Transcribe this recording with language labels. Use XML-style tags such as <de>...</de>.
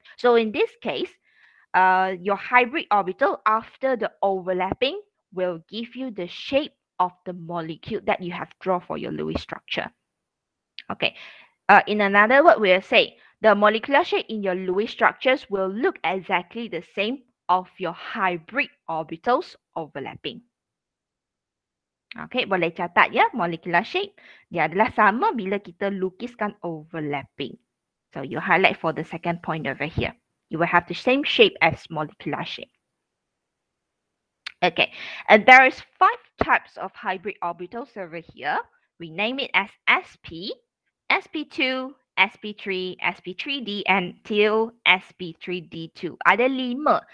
<en>So in this case, your hybrid orbital after the overlapping will give you the shape of the molecule that you have drawn for your Lewis structure. Okay, in another word, we'll say the molecular shape in your Lewis structures will look exactly the same of your hybrid orbitals overlapping.</en> <ms>Okay, boleh catat ya, molecular shape. Dia adalah sama bila kita lukiskan overlapping.</ms> <en>So, you highlight for the second point over here. You will have the same shape as molecular shape. Okay, and there is five types of hybrid orbitals over here. We name it as SP, SP2, SP3, SP3D, until SP3D2.</en> <ms>Ada lima.</ms>